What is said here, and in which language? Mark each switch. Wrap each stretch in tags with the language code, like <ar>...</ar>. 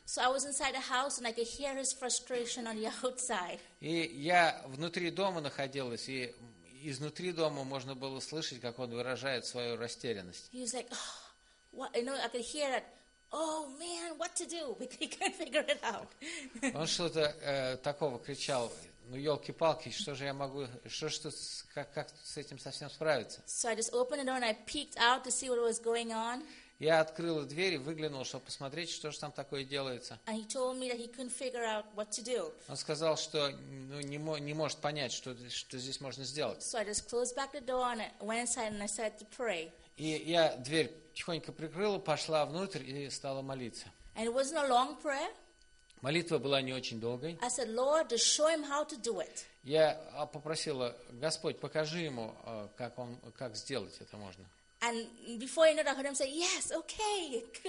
<en>So I was inside the house and I could hear his frustration on the outside.</en> <ru>И я внутри дома находилась и изнутри дома можно было слышать, как он выражает свою растерянность.</ru> <en>He was like, oh, what? You know, I could hear that. Oh man, what to do? We can't figure it out.</en> <ru>Он что-то такого кричал. Ну, елки-палки, что же я могу, как с этим совсем справиться?</ru> <en>So I just opened the door and I peeked out to see what was going on.</en> <ru>Я открыл дверь и выглянул, чтобы посмотреть, что же там такое делается.</ru> <en>And he told me that he couldn't figure out what to do.</en> <ru>Он сказал, что не может понять, что здесь можно сделать.</ru> <en>So I just closed back the door and I went inside and I started to pray.</en> <ru>И я дверь тихонько прикрыла, пошла внутрь и стала молиться.</ru> <en>And it wasn't a long prayer.</en> <ru>Молитва была не очень долгой.</ru> <en>I said, Lord, just show him how to do it.</en> <ru>Я попросила, Господь, покажи ему, как сделать это можно.</ru> <en>And before you know it, I heard him say, yes, okay.</en>